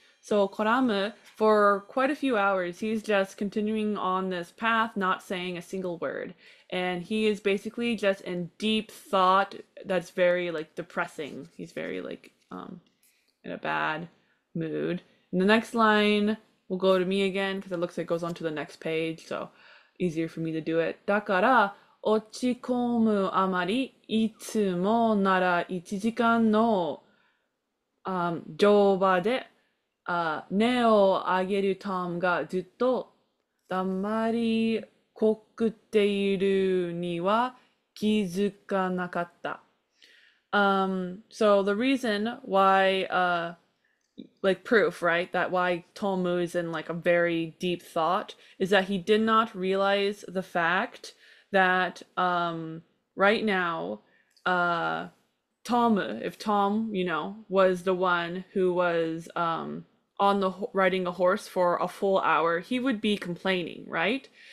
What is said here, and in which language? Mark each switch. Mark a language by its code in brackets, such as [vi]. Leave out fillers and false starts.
[en] So Koramu, for quite a few hours, he's just continuing on this path, not saying a single word. And he is basically just in deep thought that's very like depressing. He's very like in a bad mood. And the next line will go to me again because it looks like it goes on to the next page, so easier for me to do it. [ja] だから落ち込むあまりいつもなら1時間の乗馬で根を上げるトムがずっと黙りこくっているには気づかなかった。 [en] So the reason why, like proof, right, that why Tomu is in like a very deep thought is that he did not realize the fact that right now, Tomu, if Tom, was the one who was on the riding a horse for a full hour, he would be complaining, right?